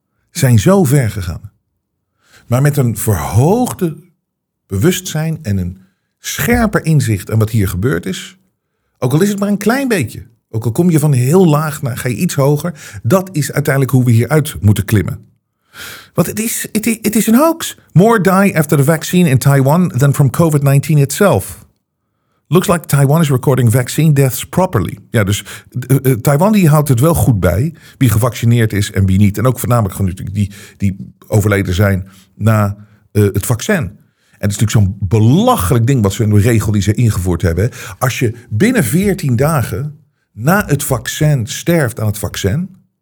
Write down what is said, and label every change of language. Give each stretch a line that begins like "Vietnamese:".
Dutch: Zijn zo ver gegaan. Maar met een verhoogde bewustzijn en een scherper inzicht aan wat hier gebeurd is. Ook al is het maar een klein beetje. Ook al kom je van heel laag naar ga je iets hoger. Dat is uiteindelijk hoe we hieruit moeten klimmen. Want het is een hoax.
English: More die after the vaccine in Taiwan than from COVID-19 itself. Looks like Taiwan is recording vaccine deaths properly.
Dutch: Ja, dus Taiwan die houdt het wel goed bij wie gevaccineerd is en wie niet. En ook voornamelijk gewoon die overleden zijn na het vaccin. En het is natuurlijk zo'n belachelijk ding wat ze in de regel die ze ingevoerd hebben. Als je binnen 14 dagen na het vaccin sterft aan het vaccin.